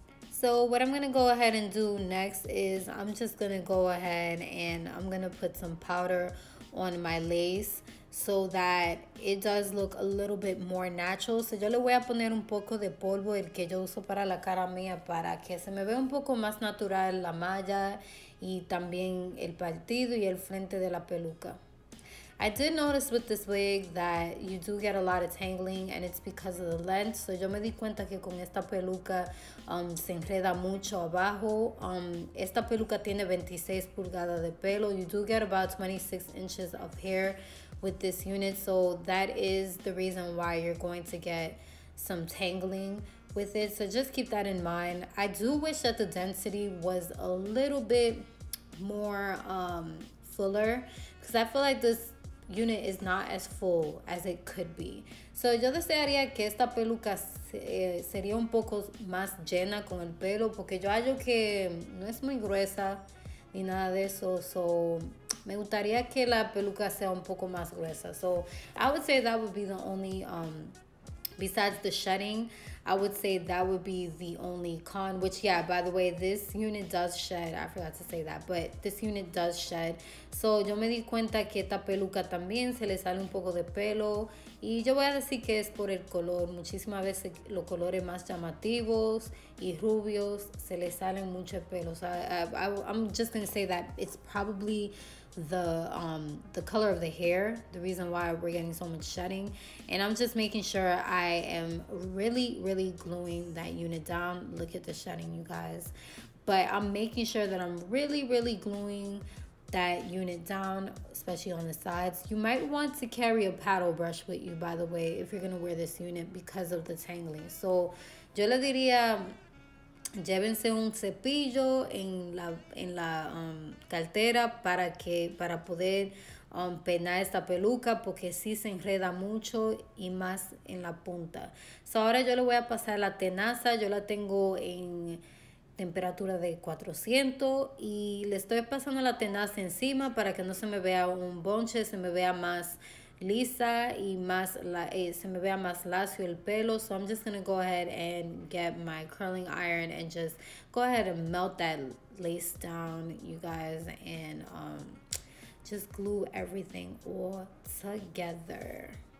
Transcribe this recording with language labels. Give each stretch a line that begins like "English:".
English: So what I'm going to go ahead and do next is I'm just going to go ahead and I'm going to put some powder on my lace so that it does look a little bit more natural.
Spanish: So yo le voy a poner un poco de polvo, el que yo uso para la cara mía, para que se me vea un poco más natural la malla y también el partido y el frente de la peluca.
English: I did notice with this wig that you do get a lot of tangling and it's because of the length.
Spanish: So yo me di cuenta que con esta peluca se enreda mucho abajo. Esta peluca tiene 26 pulgadas de pelo.
English: You do get about 26 inches of hair with this unit. So that is the reason why you're going to get some tangling with it. So just keep that in mind. I do wish that the density was a little bit more fuller, because I feel like this unit is not as full as it could be.
Spanish: So yo desearía que esta peluca sería un poco más llena con el pelo, porque yo hallo que no es muy gruesa ni nada de eso. So me gustaría que la peluca sea un poco más gruesa.
English: So I would say that would be the only besides the shedding, I would say that would be the only con, which, yeah, by the way, this unit does shed. I forgot to say that, but this unit does shed.
Spanish: So yo me di cuenta que esta peluca también se le sale un poco de pelo. Y yo voy a decir que es por el color. Muchísimas veces los colores más llamativos y rubios se le salen mucho el pelo.
English: So I'm just going to say that it's probably the color of the hair, the reason why we're getting so much shedding. And I'm just making sure I am really, really gluing that unit down. Look at the shedding, you guys. But I'm making sure that I'm really, really gluing that unit down, especially on the sides. You might want to carry a paddle brush with you, by the way, if you're gonna wear this unit, because of the tangling.
Spanish: So yo le diría llévense un cepillo en la cartera para poder peinar esta peluca, porque sí se enreda mucho y más en la punta. So ahora yo le voy a pasar la tenaza. Yo la tengo en temperatura de 400 y le estoy pasando la tenaza encima para que no se me vea un bonche, se me vea más lisa y más se me vea más lacio el pelo.
English: So I'm just gonna go ahead and get my curling iron and just go ahead and melt that lace down, you guys, and just glue everything all together.